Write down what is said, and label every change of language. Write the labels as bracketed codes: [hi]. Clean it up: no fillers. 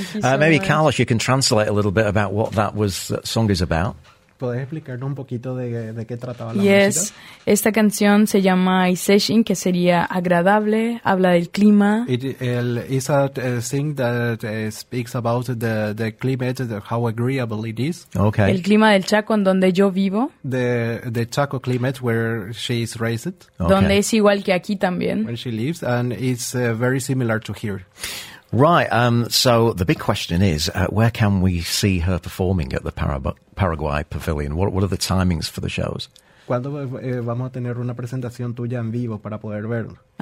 [en] Maybe Carlos, you can translate a little bit about what that was song is about. [es] ¿Puedes explicarnos un poquito de qué trataba la [en] yes. [es] música? Yes, esta canción se llama Isession, que sería agradable, habla del clima. [en] It's a thing that speaks about the climate, how agreeable it is. Okay. [es] El clima del Chaco, en donde yo vivo. [en] The Chaco climate, where she is raised. [es] Okay. Donde es igual que aquí también. [en] Where she lives, and it's very similar to here. Right, so the big question is, where can we see her performing at the Paraguay Pavilion? What are the timings for the shows? [es] ¿Cuándo vamos a tener una presentación tuya en vivo para poder verlo?